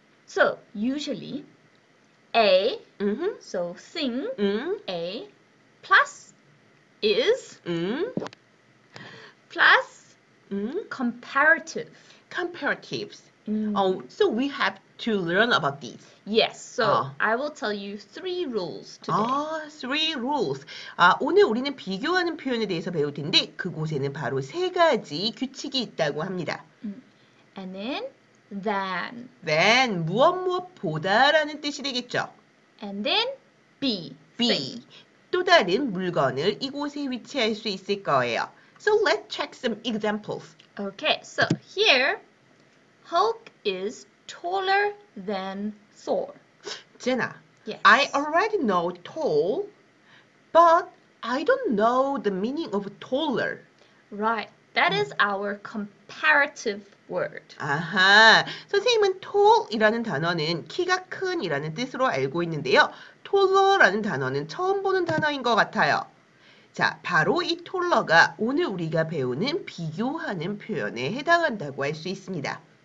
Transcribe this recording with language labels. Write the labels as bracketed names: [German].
[English] So, usually... A, so thing, A, plus is, plus comparative. Comparatives. So we have to learn about these. Yes, so I will tell you three rules today. Three rules. [Korean] 오늘 우리는 비교하는 표현에 대해서 배울 텐데, 그곳에는 바로 세 가지 규칙이 있다고 합니다. [English] And then, than. [Korean] Than, 무엇 무엇보다라는 뜻이 되겠죠. [English] And then B. [Korean] 또 다른 물건을 이곳에 위치할 수 있을 거예요. [English] So let's check some examples. Okay, so here Hulk is taller than Thor. Jenna, yes. I already know tall, but I don't know the meaning of taller. Right. That is our comparative word. [Korean] 아하. 선생님은 tall이라는 단어는 키가 큰이라는 뜻으로 알고 있는데요. taller라는 단어는 처음 보는 단어인 것 같아요. 자, 바로 이 taller가 오늘 우리가 배우는 비교하는 표현에 해당한다고 할 수 있습니다.